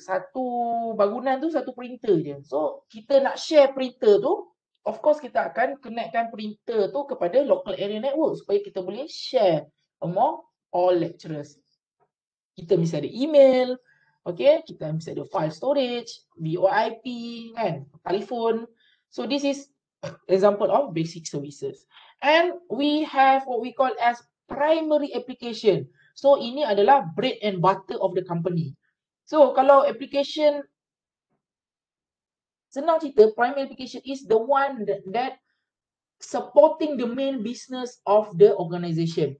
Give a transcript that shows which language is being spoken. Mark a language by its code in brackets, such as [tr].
[ms] Satu bangunan tu satu printer je. So kita nak share printer tu, [en] of course [ms] kita akan connectkan printer tu kepada local area network supaya kita boleh share [en] among all lecturers. [ms] Kita mesti ada email, okay, kita mesti ada file storage, VoIP kan, telefon. [en] So this is example of basic services. And we have what we call as primary application. So, [ms] ini adalah [en] bread and butter of the company. So, [ms] kalau [en] application, [ms] senang cerita, [en] primary application is the one that supporting the main business of the organization.